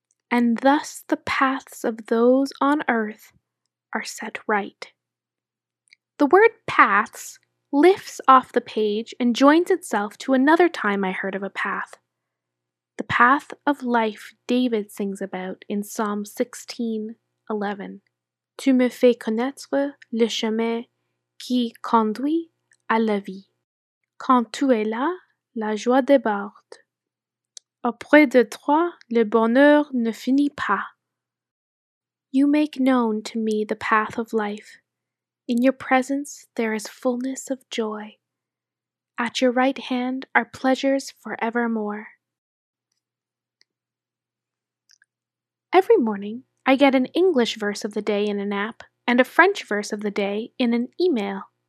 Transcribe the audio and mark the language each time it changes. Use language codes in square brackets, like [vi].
[en] And thus the paths of those on earth are set right. The word paths lifts off the page and joins itself to another time I heard of a path. The path of life David sings about in Psalm 16:11. [fr] Tu me fais connaître le chemin qui conduit à la vie. Quand tu es là, la joie déborde. Auprès de toi, le bonheur ne finit pas. [en] You make known to me the path of life. In your presence, there is fullness of joy. At your right hand are pleasures forevermore. Every morning, I get an English verse of the day in an app and a French verse of the day in an email.